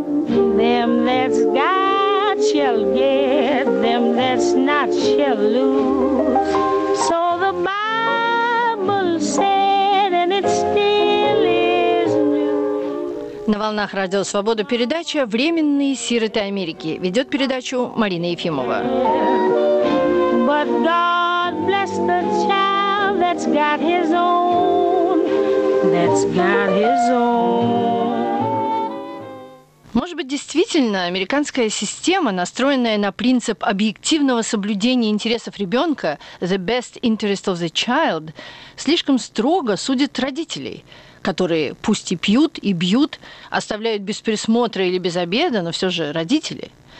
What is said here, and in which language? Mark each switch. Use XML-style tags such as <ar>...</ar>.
<en>Them that's got shall get, them that's not shall lose. So the Bible said, and it still is new.</en> <ru>На волнах Радио Свобода передача «Временные сироты Америки». Ведет передачу Марина Ефимова.</ru> <en>But God bless the child that's got his own, that's got his own.</en> <ru>Может быть, действительно, американская система, настроенная на принцип объективного соблюдения интересов ребенка,</ru> <en>the best interest of the child,</en> <ru>слишком строго судит родителей, которые пусть и пьют, и бьют, оставляют без присмотра или без обеда, но все же родители.</ru>